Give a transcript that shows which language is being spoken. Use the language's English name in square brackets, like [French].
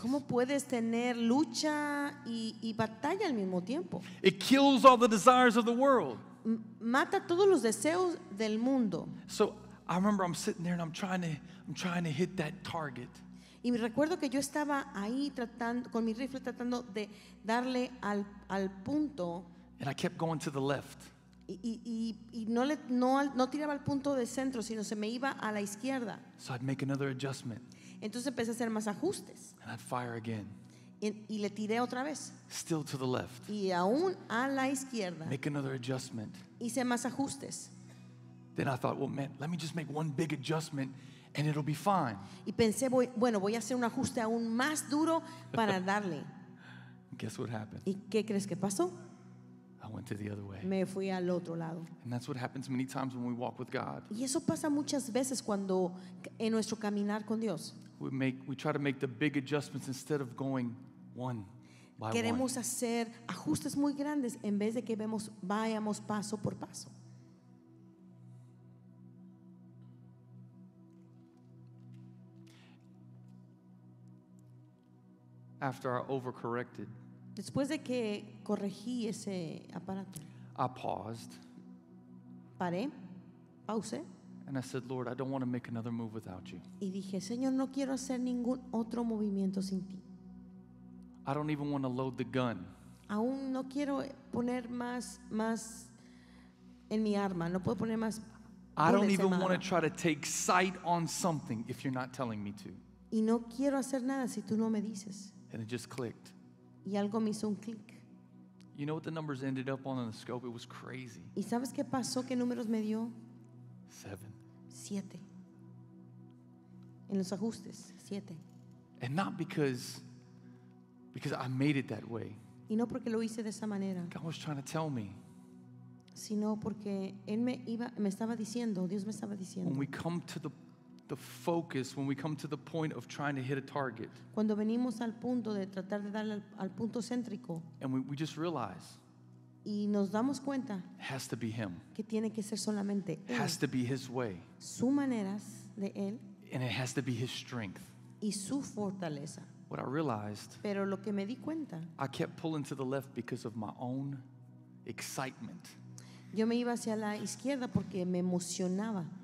[Spanish] ¿Cómo puedes tener lucha y batalla al mismo tiempo? [English] It kills all the desires of the world. [Spanish] Mata todos los deseos del mundo. [English] So I remember I'm sitting there and I'm trying to hit that target. [Spanish] Y recuerdo que yo estaba ahí tratando con mi rifle tratando de darle al punto. [English] And I kept going to the left. [Spanish] Y no tiraba al punto de centro, sino se me iba a la izquierda. [English] So I'd make another adjustment. [Spanish] Entonces empecé a hacer más ajustes. [English] And I'd fire again. [Spanish] Y le tiré otra vez. [English] Still to the left. [Spanish] Y aún a la izquierda. [English] Make another adjustment. [Spanish] Hice más ajustes. [English] Then I thought, well, man, let me just make one big adjustment and it'll be fine. [Spanish] Y pensé, bueno, voy a hacer un ajuste aún más duro para darle. [English] Guess what happened? [Spanish] ¿Y qué crees que pasó? [English] I went to the other way. [Spanish] Me fui al otro lado. [English] And that's what happens many times when we walk with God. [Spanish] Y eso pasa muchas veces cuando en nuestro caminar con Dios. [English] We try to make the big adjustments instead of going one by one. [Spanish] Queremos hacer ajustes muy grandes en vez de que vayamos paso por paso. [English] After I overcorrected, [Spanish] después de que corregí ese aparato, [English] I paused. [Spanish] Paré. Pausé. [English] And I said, Lord, I don't want to make another move without you. [Spanish] Y dije, Señor, no quiero hacer ningún otro movimiento sin ti. [English] I don't even want to load the gun. [Spanish] Aún no quiero poner más en mi arma. No puedo poner más. [English] I don't even want to try to take sight on something if you're not telling me to. [Spanish] Y no quiero hacer nada si tú no me dices. [English] And it just clicked. [Spanish] Y algo me hizo un click. [English] You know what the numbers ended up on the scope? It was crazy. [Spanish] ¿Y sabes qué pasó? ¿Qué números me dio? [English] 7. [Spanish] 7. En los ajustes, 7. [English] And not because I made it that way. [Spanish] Y no porque lo hice de esa manera. [English] God was trying to tell me. [Spanish] Sino porque él me estaba diciendo, Dios me estaba diciendo. [English] When we come to the focus, when we come to the point of trying to hit a target, [Spanish] cuando venimos al punto de tratar de darle al punto céntrico, [English] and we just realize, [Spanish] y nos damos cuenta, [English] has to be him, [Spanish] que tiene que ser solamente él, [English] has to be his way, [Spanish] su maneras de él, [English] and it has to be his strength, [Spanish] y su fortaleza. [English] What I realized, [Spanish] pero lo que me di cuenta, [English] I kept pulling to the left because of my own excitement. [Spanish] Yo me iba hacia la izquierda porque me emocionaba.